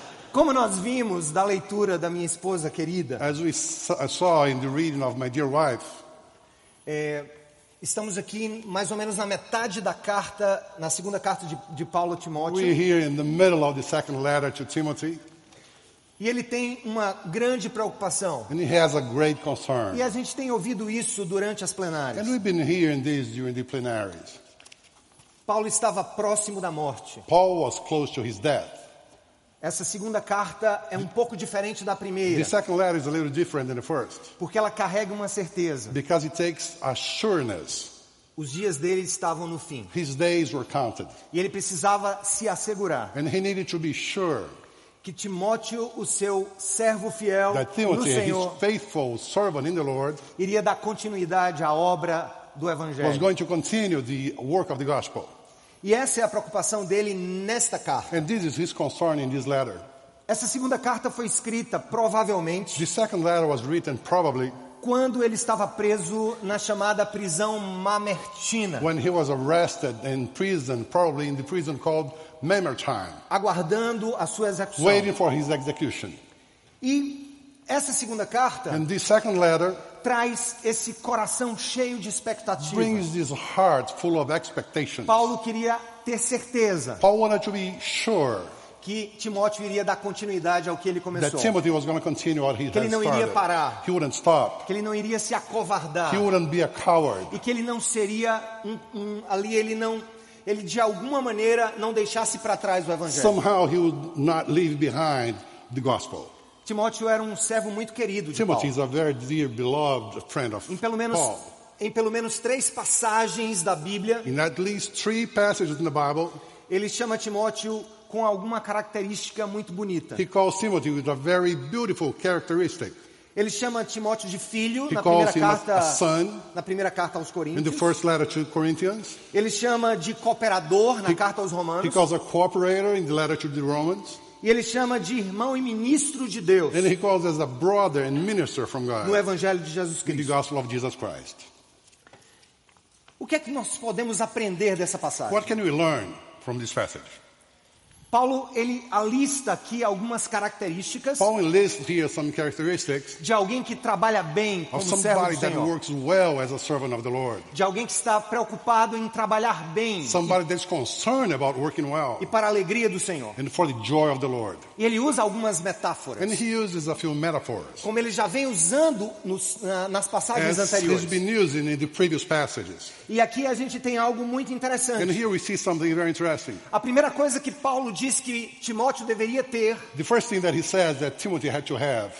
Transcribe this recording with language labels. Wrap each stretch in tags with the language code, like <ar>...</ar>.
<pt>Como nós vimos da leitura da minha esposa querida.</pt> <en>As we saw in the reading of my dear wife.</en> <pt>Estamos aqui mais ou menos na metade da carta, na segunda carta de Paulo a Timóteo.</pt> <en>We're here in the middle of the second letter to Timothy.</en> <pt>E ele tem uma grande preocupação.</pt> <en>And he has a great concern.</en> <pt>E a gente tem ouvido isso durante as plenárias.</pt> <en>And we've been hearing this during the plenaries.</en> <pt>Paulo estava próximo da morte.</pt> <en>Paul was close to his death.</en> <pt>Essa segunda carta é um pouco diferente da primeira.</pt> <en>The second letter is a little different than the first.</en> <pt>Porque ela carrega uma certeza.</pt> <en>Because it takes a sureness.</en> <pt>Os dias dele estavam no fim.</pt> <en>His days were counted.</en> <pt>E ele precisava se assegurar.</pt> <en>And he needed to be sure.</en> <pt>Que Timóteo, o seu servo fiel</pt> <en>that Timothy,</en> <pt>no Senhor,</pt> <en>his faithful servant in the Lord,</en> <pt>iria dar continuidade à obra do Evangelho.</pt> <en>Was going to continue the work of the gospel.</en> <pt>E essa é a preocupação dele nesta carta.</pt> <en>And this is his concern in this letter.</en> <pt>Essa segunda carta foi escrita, provavelmente,</pt> <en>the second letter was written, probably,</en> <pt>quando ele estava preso na chamada prisão Mamertina.</pt> <en>When he was arrested in prison, probably in the prison called Mamertine.</en> <pt>Aguardando a sua execução.</pt> <en>Waiting for his execution.</en> <pt>E essa segunda carta,</pt> <en>and this second letter,</en> <pt>traz esse coração cheio de expectativa.</pt> <en>Brings this heart full of expectations.</en> <pt>Paulo queria ter certeza.</pt> <en>Paul wanted to be sure.</en> <pt>Que Timóteo iria dar continuidade ao que ele começou.</pt> <en>That Timothy was going to continue what he</en> <pt>que ele não iria parar.</pt> <en>He wouldn't stop.</en> <pt>Que ele não iria se acovardar.</pt> <en>He wouldn't be a coward.</en> <pt>E que ele não seria ali ele não ele de alguma maneira não deixasse para trás o evangelho.</pt> <en>Somehow he would not leave behind the gospel.</en> <pt>Timóteo era um servo muito querido de</pt> <en>Timothy Is a very dear beloved friend of Paul.</en> <pt>Em pelo menos três passagens da Bíblia.</pt> <en>In at least three passages in the Bible.</en> <pt>Ele chama Timóteo com alguma característica muito bonita.</pt> <en>He calls Timothy with a very beautiful characteristic.</en> <pt>Ele chama Timóteo de filho</pt> <en>he</en> <pt>na primeira carta.</pt> <en>A son,</en> <pt>na primeira carta aos Coríntios.</pt> <en>In the first letter to Corinthians.</en> <pt>Ele chama de cooperador na</pt> <en>he,</en> <pt>carta aos Romanos.</pt> <en>He calls a cooperator in the letter to the Romans.</en> <pt>E ele chama de irmão e ministro de Deus.</pt> <en>And he calls as a brother and minister from God.</en> <pt>No Evangelho de Jesus Cristo.</pt> <en>In the Gospel of Jesus Christ.</en> <pt>O que é que nós podemos aprender dessa passagem?</pt> <en>What can we learn from this passage?</en> <pt>Paulo ele alista aqui algumas características.</pt> <en>Paul enlists here some characteristics.</en> <pt>De alguém que trabalha bem como servo do Senhor.</pt> <en>Of somebody that works well as a servant of the Lord.</en> <pt>De alguém que está preocupado em trabalhar bem.</pt> <en>Somebody that's concerned about working well.</en> <pt>E para a alegria do Senhor.</pt> <en>And for the joy of the Lord.</en> <pt>E ele usa algumas metáforas.</pt> <en>And he uses a few metaphors.</en> <pt>Como ele já vem usando nas passagens anteriores.</pt> <en>As he's been using in the previous passages.</en> <pt>E aqui a gente tem algo muito interessante.</pt> <en>And here we see something very interesting.</en> <pt>A primeira coisa que Paulo diz que Timóteo deveria ter.</pt> <en>The first thing that he says that Timothy had to have</en>